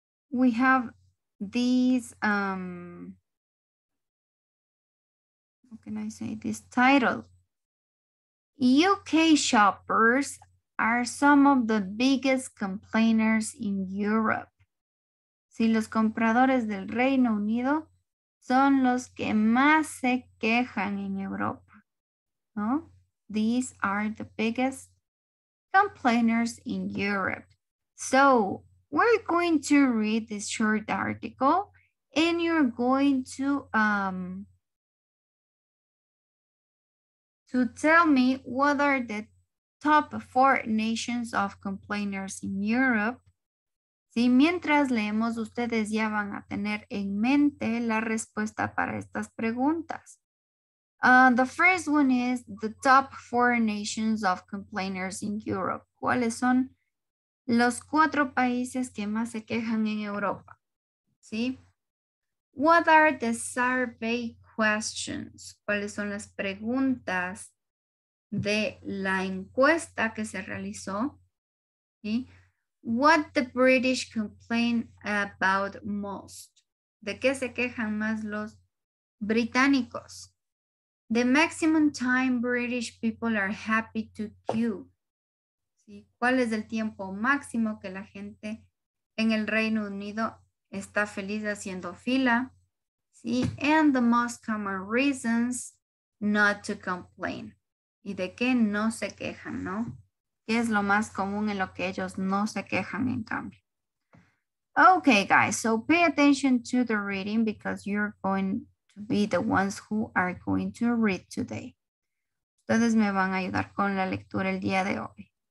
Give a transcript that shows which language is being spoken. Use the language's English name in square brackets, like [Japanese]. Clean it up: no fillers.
[English] We have these, how can I say this title? UK shoppers are some of the biggest complainers in Europe. [Spanish] Si los compradores del Reino Unido son los que más se quejan en Europa, ¿no? [English] These are the biggest complainers in Europe. So, we're going to read this short article and you're going to tell me what are the top 4 nations of complainers in Europe. [Spanish] Sí, mientras leemos, ustedes ya van a tener en mente la respuesta para estas preguntas. [English] The first one is the top 4 nations of complainers in Europe. [Spanish] ¿Cuáles son los 4 países que más se quejan en Europa? Sí. [English] What are the survey questions? [Spanish] ¿Cuáles son las preguntas de la encuesta que se realizó? ¿Sí? [English] What the British complain about most? [Spanish] ¿De qué se quejan más los británicos? [English] The maximum time British people are happy to queue. [Spanish] ¿Sí? ¿Cuál es el tiempo máximo que la gente en el Reino Unido está feliz haciendo fila? ¿Sí? [English] And the most common reasons not to complain. [Spanish] ¿Y de qué no se quejan, no? ¿Qué es lo más común en lo que ellos no se quejan en cambio? [English] Okay, guys, so pay attention to the reading because you're going to be the ones who are going to read today. [Spanish] Ustedes me van a ayudar con la lectura el día de hoy.